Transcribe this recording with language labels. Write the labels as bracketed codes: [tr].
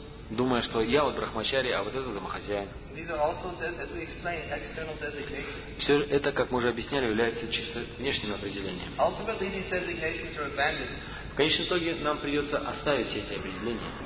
[ru] Думая, что я вот брахмачари, а вот это домохозяин. [en] These are also, as we explained, external designations. [ru] Все это, как мы уже объясняли, является чисто внешним определением. [en] Ultimately, these designations are abandoned. [ru] В конечном итоге нам придется оставить все эти определения.